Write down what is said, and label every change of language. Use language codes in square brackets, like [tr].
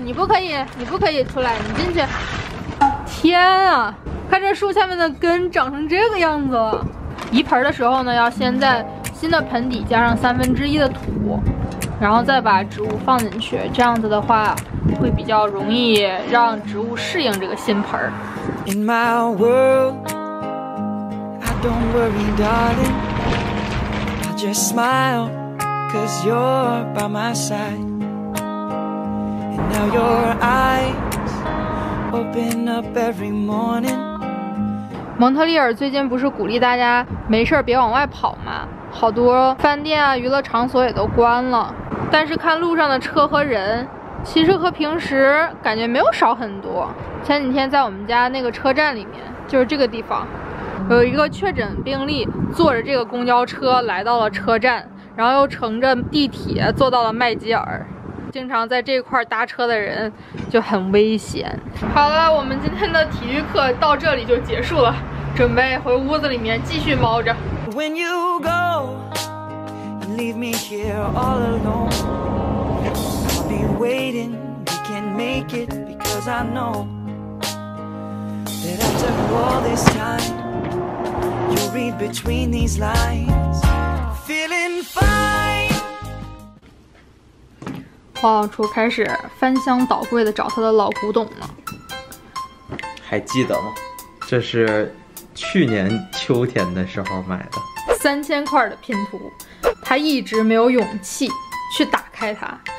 [zh] 你不可以出来，你进去。天啊，看这树下面的根长成这个样子了。移盆的时候呢，要先在新的盆底加上1/3的土，然后再把植物放进去，这样子的话会比较容易让植物适应这个新盆。 [en] In my world I don't worry darling I just smile Cause you're by my side And now your eyes Open up every morning。 [zh] 蒙特利尔最近不是鼓励大家没事别往外跑吗？好多饭店啊娱乐场所也都关了，但是看路上的车和人，其实和平时感觉没有少很多。前几天在我们家那个车站里面，就是这个地方，有一个确诊病例坐着这个公交车来到了车站，然后又乘着地铁坐到了麦吉尔。经常在这块搭车的人就很危险。好了，我们今天的体育课到这里就结束了，准备回屋子里面继续猫着。 [en] When you go, you leave me here all alone. I'll be waiting, we can make it because I know that after all this time, you'll read between these lines, feeling fine. [zh] 黄老厨开始翻箱倒柜的找他的老古董了。还记得吗？这是去年秋天的时候买的。 3000块的拼图，他一直没有勇气去打开它。